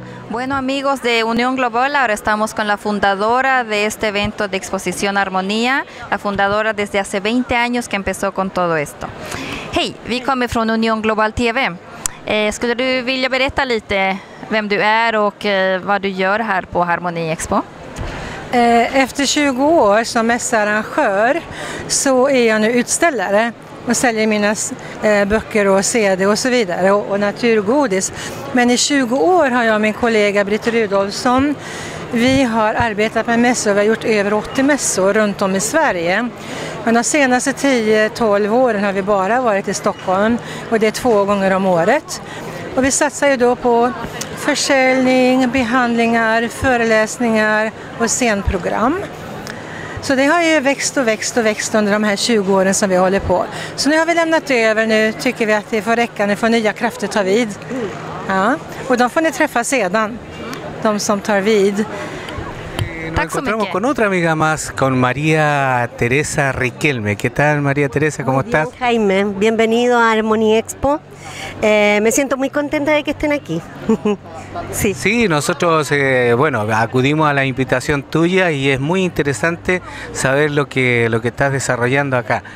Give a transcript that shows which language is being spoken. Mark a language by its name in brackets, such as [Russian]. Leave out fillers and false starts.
[Spanish] Bueno, amigos de Unión Global, ahora estamos con la fundadora de este evento de Exposición Armonía, la fundadora desde hace 20 años que empezó con todo esto. [Swedish] Hej, vi kommer från Union Global TV. Skulle du vilja berätta lite vem du är och vad du gör här på Harmony Expo? Efter 20 år som mässarrangör så är jag nu utställare och säljer mina böcker och CD och så vidare och naturgodis. Men i 20 år har jag min kollega Britt Rudolfsson. Vi har arbetat med mässor, vi har gjort över 80 mässor runt om i Sverige. Men de senaste 10-12 åren har vi bara varit i Stockholm och det är 2 gånger om året. Och vi satsar ju då på försäljning, behandlingar, föreläsningar och scenprogram. Så det har ju växt och växt och växt under de här 20 åren som vi håller på. Så nu har vi lämnat över, nu tycker vi att det får räcka, nu får nya krafter ta vid. Ja. Och de får ni träffa sedan, de som tar vid. [Spanish] Nos encontramos con otra amiga más, con María Teresa Riquelme. ¿Qué tal, María Teresa? ¿Cómo estás? Bien, Jaime, bienvenido a Harmony Expo. Me siento muy contenta de que estén aquí. Sí. Sí, nosotros acudimos a la invitación tuya y es muy interesante saber lo que estás desarrollando acá.